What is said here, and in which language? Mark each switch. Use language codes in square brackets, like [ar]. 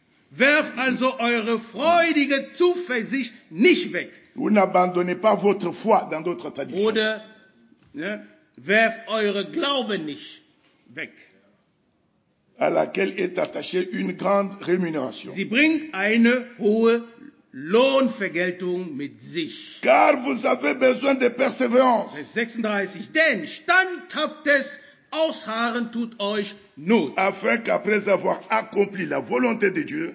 [de] Werft also eure freudige Zuversicht nicht weg. [fr] Vous n'abandonnez pas votre foi dans d'autres traditions. [de] Oder, ne, werft eure Glaube nicht weg. [fr] À laquelle est attachée une grande rémunération. [de] Sie bringt eine hohe Lohnvergeltung mit sich. [fr] Car vous avez besoin de persévérance. [de] Vers 36. Denn standhaftes Ausharren tut euch Not. [fr] Afin qu'après avoir accompli la volonté de Dieu,